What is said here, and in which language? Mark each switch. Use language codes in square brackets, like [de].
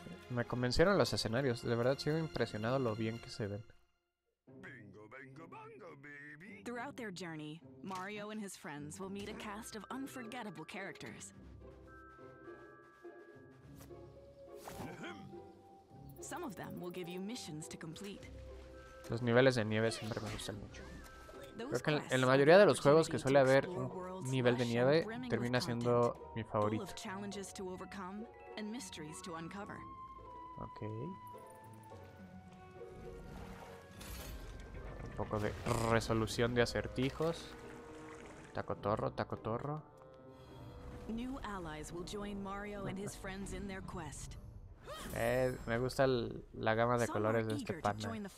[es] Me convencieron los escenarios, de verdad sigo impresionado lo bien que se ven. [en] Throughout their journey, Mario and his friends will meet a cast of unforgettable characters. Some of them will give you missions to complete. [es] Los niveles de nieve siempre me gustan mucho. Creo que en la mayoría de los juegos que suele haber un nivel de nieve termina siendo mi favorito. [en] Full of challenges to overcome and mysteries to uncover. Okay. [es] Un poco de resolución de acertijos. Tacotorro. [en] New allies will join Mario and his friends in their quest. [es] Me gusta la gama de colores de este pana.